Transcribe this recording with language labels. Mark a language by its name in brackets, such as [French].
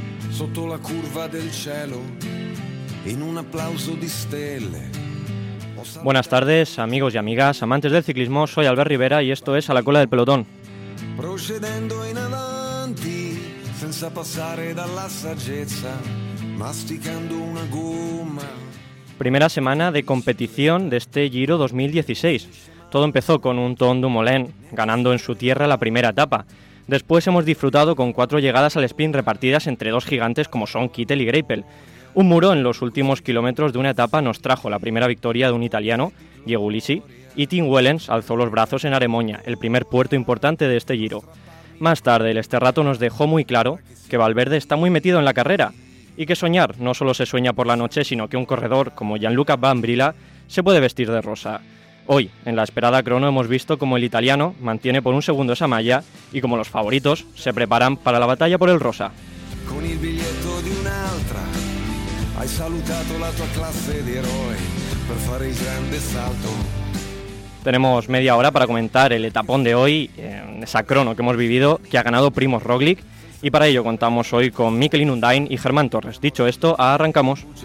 [Italian] sotto la curva del cielo, in un applauso di stelle. [Spanish] Buenas tardes, amigos y amigas, amantes del ciclismo, soy Albert Rivera y esto es A la cola del pelotón. [Italian] Procedendo in avanti, senza passare dalla saggezza, masticando una gomma. [Spanish] Primera semana de competición de este Giro 2016. Todo empezó con un Tom Dumoulin ganando en su tierra la primera etapa. Después hemos disfrutado con cuatro llegadas al sprint repartidas entre dos gigantes como son Kittel y Greipel. Un muro en los últimos kilómetros de una etapa nos trajo la primera victoria de un italiano, Diego Ulisi, y Tim Wellens alzó los brazos en Aremoña, el primer puerto importante de este Giro. Más tarde, el Esterrato nos dejó muy claro que Valverde está muy metido en la carrera y que soñar no solo se sueña por la noche, sino que un corredor como Gianluca Brambilla se puede vestir de rosa. Hoy, en la esperada crono, hemos visto cómo el italiano mantiene por un segundo esa malla y cómo los favoritos se preparan para la batalla por el rosa. [Italian] Con el biglietto di un'altra, hai salutato la tua classe di eroe per fare il grande salto. [Spanish] Tenemos media hora para comentar el etapón de hoy, esa crono que hemos vivido, que ha ganado Primoz Roglic, y para ello contamos hoy con Mikel Inundain y Germán Torres. Dicho esto, arrancamos.